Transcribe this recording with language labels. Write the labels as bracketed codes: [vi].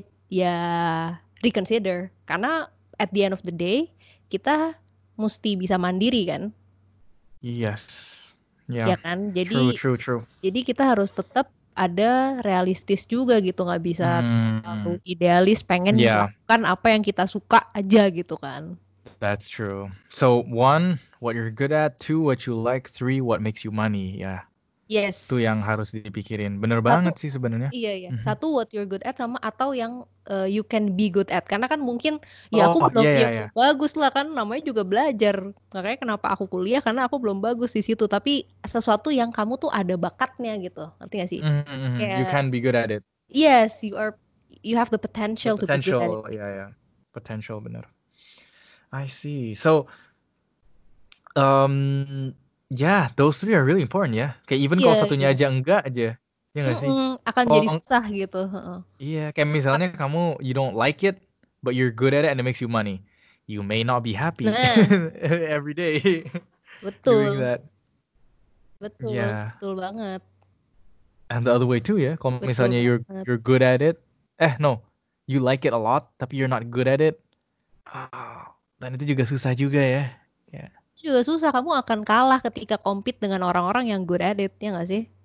[id] ya reconsider. Karena [en] at the end of the day, [id] kita mesti bisa mandiri kan? [en] Yes. Yeah. [id] Ya kan? Jadi [en] True, true, true. [id] kita harus tetap ada realistis juga gitu, nggak bisa terlalu idealis pengen [en] Yeah. [id] melakukan apa yang kita suka aja gitu kan. [en] That's true. So one, what you're good at. Two, what you like. Three, what makes you money. Yeah. Yes. [id] Itu yang harus dipikirin. Bener banget sih sebenarnya. Iya iya. [en] Mm-hmm. Satu, what you're good at, [id] sama atau yang [en] you can be good at. [id] Karena kan mungkin ya [en] Oh, [id] aku belum [en] yeah, [id] ya [en] yeah. [id] bagus lah kan, namanya juga belajar. Makanya kenapa aku kuliah, karena aku belum bagus di situ. Tapi sesuatu yang kamu tuh ada bakatnya gitu. Ngerti gak sih? [en] You [id] Kayak [en] can be good at it. yes, you are, you have the The potential to be good potential, at it. ya, yeah, ya, yeah. Potential benar. I see. So, yeah, those three are really important, ya. [id] Yeah? Kayak even kalau Iya, satunya iya. aja enggak aja, ya nggak sih? Akan Kalau jadi susah gitu. [en] iya, yeah, [id] kayak misalnya kamu [en] you don't like it, but you're good at it and it makes you money, you may not be happy [id] Nah, [en] every day [id] betul, [en] doing that. [id] betul, [en] Yeah. [id] betul banget. [en] And the other way too, ya. Yeah? [id] Kalau Betul misalnya banget. [en] you're good at it, eh no, you like it a lot, [id] tapi [en] you're not good at it. [id] Dan itu juga susah juga ya. [en] Yeah. [id] Juga susah, kamu akan kalah ketika compete dengan orang-orang yang [en] good at it, [id] ya nggak sih?